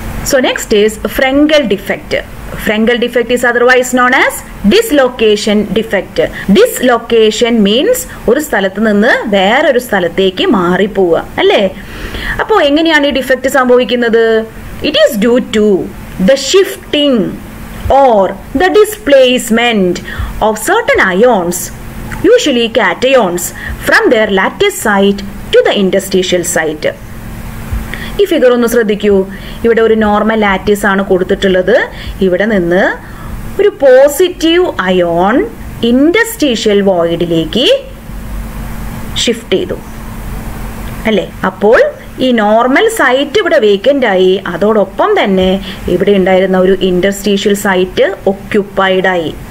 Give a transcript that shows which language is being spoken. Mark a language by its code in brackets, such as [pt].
[en] So next is Frenkel defect. Frenkel defect is otherwise known as dislocation defect. Dislocation means [ml] ഒരു സ്ഥലത്ത് നിന്ന് വേറൊരു സ്ഥലത്തേക്ക് മാറിപ്പോവുക അല്ലേ. അപ്പോ എങ്ങനെയാണ് ഈ ഡിഫക്റ്റ് സംഭവിക്കുന്നത്? [en] It is due to the shifting or the displacement of certain ions, usually cations, from their lattice site to the interstitial site. [ml] ഈ ഫിഗർ ഒന്ന് ശ്രദ്ധിക്കൂ. ഇവിടെ ഒരു നോർമൽ ലാറ്റിസ് ആണ് കൊടുത്തിട്ടുള്ളത്. ഇവിടെ നിന്ന് ഒരു പോസിറ്റീവ് അയോൺ ഇൻഡസ്ട്രീഷ്യൽ വോയിഡിലേക്ക് ഷിഫ്റ്റ് ചെയ്തു അല്ലേ. അപ്പോൾ ഈ നോർമൽ സൈറ്റ് ഇവിടെ വേക്കൻ്റ് ആയി, അതോടൊപ്പം തന്നെ ഇവിടെ ഉണ്ടായിരുന്ന ഒരു ഇൻഡർസ്റ്റീഷ്യൽ സൈറ്റ് ഒക്യുപ്പൈഡായി.